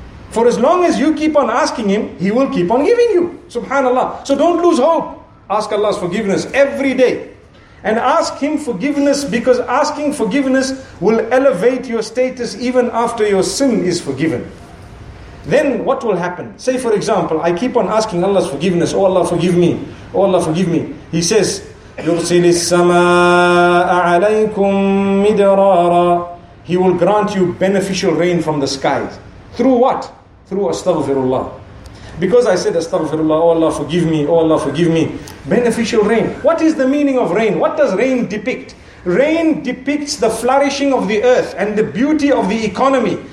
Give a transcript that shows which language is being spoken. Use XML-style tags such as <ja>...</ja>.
<en>For as long as you keep on asking Him, He will keep on giving you. Subhanallah. So don't lose hope. Ask Allah's forgiveness every day. And ask Him forgiveness, because asking forgiveness will elevate your status even after your sin is forgiven. Then what will happen? Say for example, I keep on asking Allah's forgiveness. Oh Allah, forgive me. Oh Allah, forgive me. He says,</en> <ar>يُرْسِلِ السَّمَاءَ عَلَيْكُمْ مِدْرَارًا.</ar> <en>He will grant you beneficial rain from the skies. Through what? Through astaghfirullah. Because I said astaghfirullah, oh Allah, forgive me. Oh Allah, forgive me. Beneficial rain. What is the meaning of rain? What does rain depict? Rain depicts the flourishing of the earth and the beauty of the economy.</en>